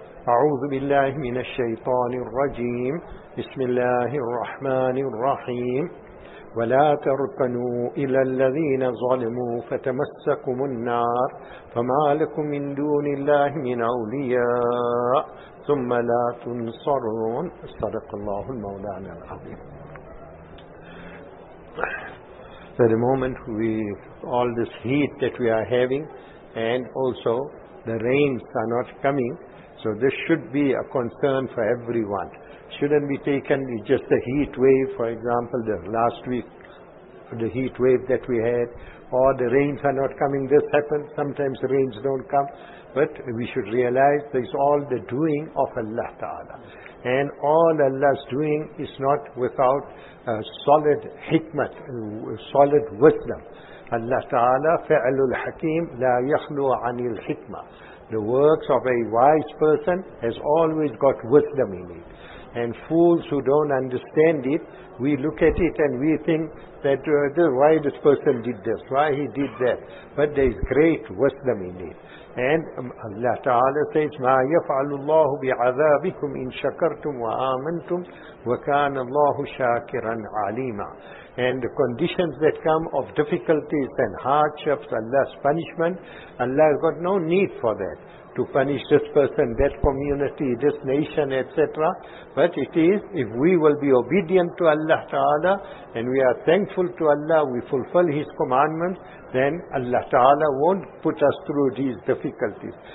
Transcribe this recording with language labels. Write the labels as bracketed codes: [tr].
[ar] أعوذ بالله من الشيطان الرجيم بسم الله الرحمن الرحيم ولا تركنوا إلى الذين ظلموا فتمسكم النار فما لكم من دون الله من أولياء ثم لا تنصرون صدق الله المولانا العظيم. [en] So the moment with all this heat that we are having and also the rains are not coming, so this should be a concern for everyone. Shouldn't be taken just the heat wave, for example, the last week, the heat wave that we had, or the rains are not coming. This happens. Sometimes the rains don't come. But we should realize this is all the doing of Allah Ta'ala. And all Allah's doing is not without solid hikmat, solid wisdom. [ar] Allah Ta'ala, fa'alul hakeem, la yakhlu anil hikmah. [en] The works of a wise person has always got wisdom in it. And fools who don't understand it, we look at it and we think that why this person did this, why he did that. But there is great wisdom in it. And Allah Ta'ala says, [ar] مَا يَفْعَلُ اللَّهُ بِعَذَابِكُمْ إِن شَكَرْتُمْ وَآمَنْتُمْ وَكَانَ اللَّهُ شَاكِرًا عَلِيمًا. [en] And the conditions that come of difficulties and hardships, Allah's punishment, Allah has got no need for that, to punish this person, that community, this nation, etc. But it is, if we will be obedient to Allah Ta'ala, and we are thankful to Allah, we fulfill His commandments, then Allah Ta'ala won't put us through these difficulties.